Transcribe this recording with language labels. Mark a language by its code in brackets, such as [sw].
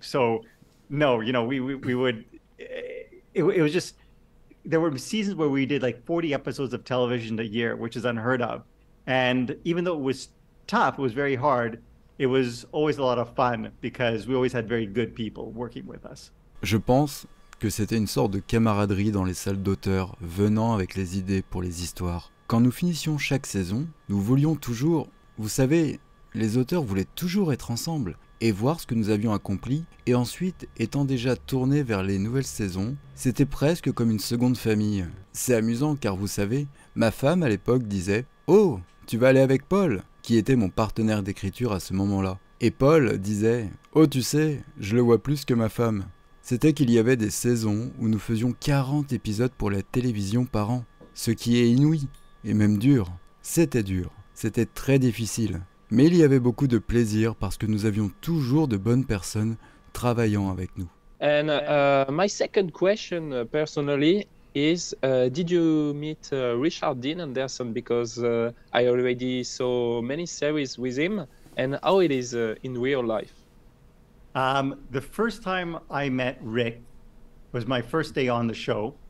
[en] So no, you know, we would, it was just, there were seasons where we did like 40 episodes of television a year, which is unheard of. And even though it was tough, it was very hard, it was always a lot of fun because we always had very good people working with us. [fr] Je pense que c'était une sorte de camaraderie dans les salles d'auteurs venant avec les idées pour les histoires. Quand nous finissions chaque saison, nous voulions toujours, vous savez, les auteurs voulaient toujours être ensemble et voir ce que nous avions accompli, et ensuite, étant déjà tourné vers les nouvelles saisons, c'était presque comme une seconde famille. C'est amusant car vous savez, ma femme à l'époque disait « Oh, tu vas aller avec Paul ?» qui était mon partenaire d'écriture à ce moment-là. Et Paul disait « Oh, tu sais, je le vois plus que ma femme. » C'était qu'il y avait des saisons où nous faisions 40 épisodes pour la télévision par an, ce qui est inouï, et même dur. C'était dur, c'était très difficile. Mais il y avait beaucoup de plaisir parce que nous avions toujours de bonnes personnes travaillant avec nous. [en] And my second question personally is, did you meet Richard Dean Anderson? Because I already saw many series with him, and how it is in real life? The first time I met Rick was my first day on the show.